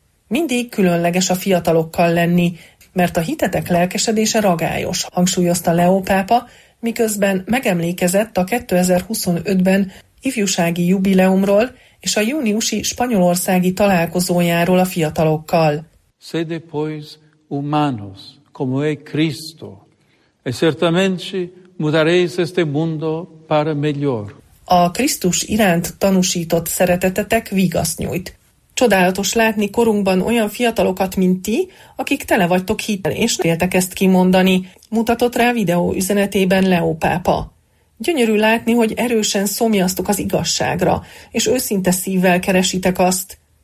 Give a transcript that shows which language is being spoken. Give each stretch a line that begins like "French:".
Hungarian: Mindig különleges a fiatalokkal lenni, mert a hitetek lelkesedése ragályos, hangsúlyozta Leó pápa, miközben megemlékezett a 2025-ben ifjúsági jubileumról és a júniusi spanyolországi találkozójáról a fiatalokkal.
Portuguese: Sede pois humanos, como é Cristo, e certamente mudareis este mundo para melhor.
Hungarian: A Krisztus iránt tanúsított szeretetetek vigaszt nyújt. Csodálatos látni korunkban olyan fiatalokat, mint ti, akik tele vagytok hittel, és féltek ezt kimondani, mutatott rá videó üzenetében Leó pápa. Gyönyörű látni, hogy erősen szomjaztok az igazságra, és őszinte szívvel keresitek azt.